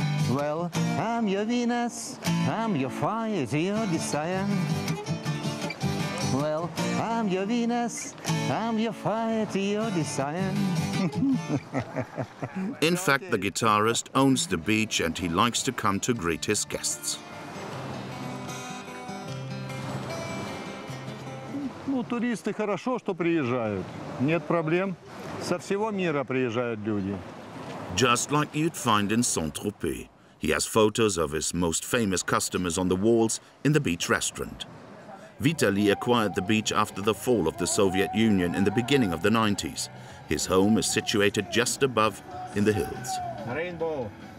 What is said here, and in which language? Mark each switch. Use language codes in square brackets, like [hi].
[en] Well, I'm your Venus, I'm your fire, your desire. Well, I'm your Venus, I'm your fire, your desire. In fact, the guitarist owns the beach and he likes to come to greet his guests. [ru] Ну, туристы хорошо, что приезжают. Нет проблем. Со всего мира приезжают люди. [en] Just like you'd find in Saint-Tropez. He has photos of his most famous customers on the walls in the beach restaurant. Vitaly acquired the beach after the fall of the Soviet Union in the beginning of the 90s. His home is situated just above in the hills. Rainbow.